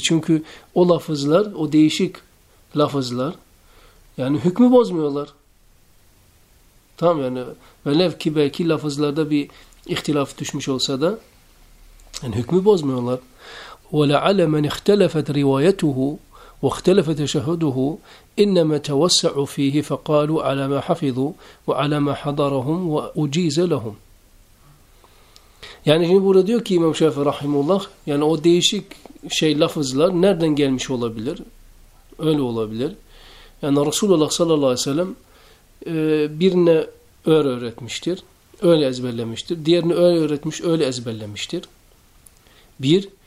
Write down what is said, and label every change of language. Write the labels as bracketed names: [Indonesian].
[Turkish] Çünkü o lafızlar, o değişik lafızlar yani hükmü bozmuyorlar. Tamam yani velev ki belki lafızlarda bir ihtilaf düşmüş olsa da yani hükmü bozmuyorlar. [Arabic] ولعل من اختلفت روايته واختلف تشهده إنما توسع فيه فقالوا على ما حفظوا وعلى ما حضرهم وأجيز لهم. [Turkish] Yani şimdi burada diyor ki İmam Şafii Rahimullah, yani o değişik şey lafızlar nereden gelmiş olabilir? Öyle olabilir. Yani Resulullah sallallahu aleyhi ve sellem birine öğre öğretmiştir. Öyle ezberlemiştir. Diğerini öyle öğretmiş, öyle ezberlemiştir. Bir.